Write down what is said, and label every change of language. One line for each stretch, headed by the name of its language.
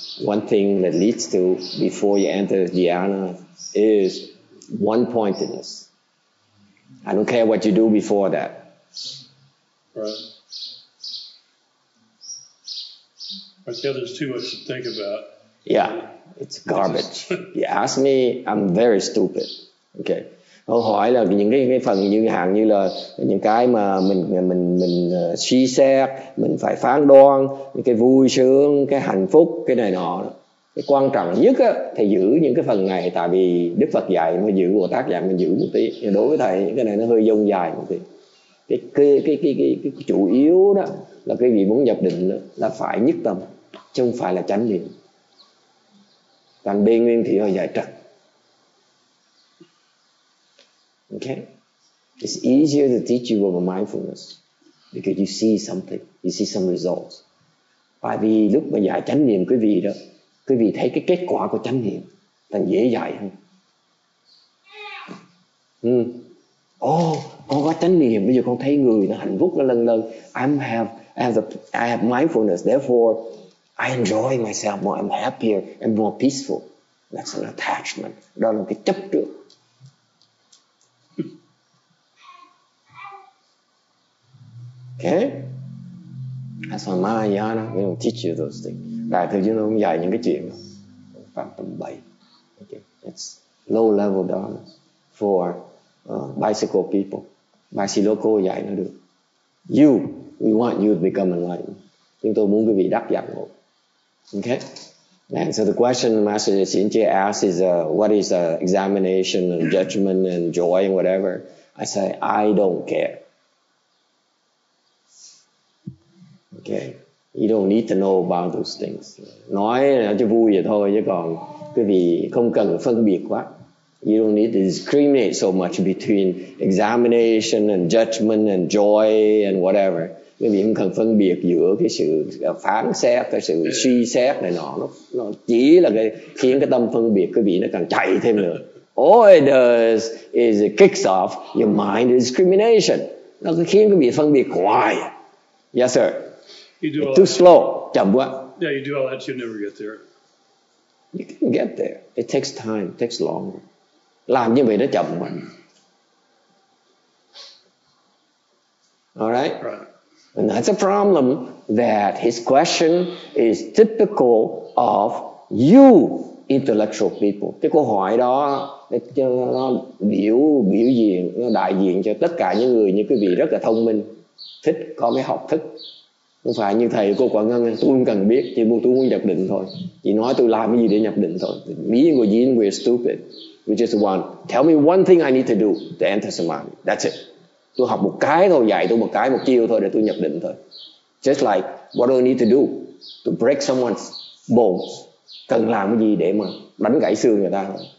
English: One thing that leads to, before you enter dhyana, is one-pointedness. I don't care what you do before that. Right. I feel there's too much to think about. Yeah. It's garbage. You ask me, I'm very stupid. Okay.
Vietnamese: Họ hỏi là những cái phần như hạng như là những cái mà mình suy xét, mình phải phán đoán, những cái vui sướng, cái hạnh phúc, cái này nọ. Cái quan trọng nhất á, thầy giữ những cái phần này, tại vì Đức Phật dạy mà giữ, Bồ Tát dạy mình giữ một tí. Nhưng đối với thầy, cái này nó hơi dông dài một tí. Cái chủ yếu đó là cái vị muốn nhập định đó, là phải nhất tâm, chứ không phải là chánh niệm. Còn bên nguyên thì hơi dài trật.
English: Okay. It's easier to teach you about mindfulness because you see something, you see some results.
Vietnamese: Tại vì lúc mà dạy chánh niệm quý vị đó, quý vị thấy cái kết quả của chánh niệm thành dễ dạy hơn. Con có chánh niệm, bây giờ con thấy người nó hạnh phúc, nó lần lần.
English: I have mindfulness, therefore I enjoy myself more, I'm happier and more peaceful. That's an attachment.
Vietnamese: Đó là cái chấp trước.
English: Okay? That's why Mahayana, we don't teach you those things.
Vietnamese: Đại thừa chúng tôi không dạy những cái chuyện phạm tầm bậy.
English: Okay. It's low level dharma for bicycle people. Bicycle
Vietnamese: dạy nó được.
English: You, we want you to become enlightened.
Vietnamese: Chúng tôi muốn quý vị đắc giác ngộ.
English: Okay, and so the question Master Sinche asks is, what is examination and judgment and joy and whatever? I say, I don't care. Okay, you don't need to know about those things.
Vietnamese: Nói cho vui vậy thôi, chứ còn quý vị không cần phân biệt quá.
English: You don't need to discriminate so much between examination and judgment and joy and whatever.
Vietnamese: Quý vị không cần phân biệt giữa cái sự phán xét, cái sự suy xét này nọ. Nó chỉ là cái khiến cái tâm phân biệt quý vị nó càng chạy thêm nữa.
English: All it does is it kicks off your mind discrimination.
Vietnamese: Nó khiến quý vị phân biệt hoài.
English: Yes, sir. You do all too that. Slow.
Vietnamese: Chậm quá.
English: Yeah, you do all that, you'll never get there. You can get there. It takes time. It takes long.
Vietnamese: Làm như vậy nó chậm quá.
English: All right? And that's a problem, that his question is typical of you intellectual people.
Vietnamese: Cái câu hỏi đó nó biểu diện, nó đại diện cho tất cả những người như quý vị rất là thông minh, thích có cái học thức. Không phải như thầy cô Quảng Ngân, tôi không cần biết, chỉ tôi muốn nhập định thôi. Chỉ nói tôi làm cái gì để nhập định thôi.
English: Me and what you and we're stupid. We just want, tell me one thing I need to do to enter samadhi. That's it.
Vietnamese: Tôi học một cái thôi, dạy tôi một cái, một chiêu thôi để tôi nhập định thôi.
English: Just like What do I need to do to break someone's bones?
Vietnamese: Cần làm cái gì để mà đánh gãy xương người ta?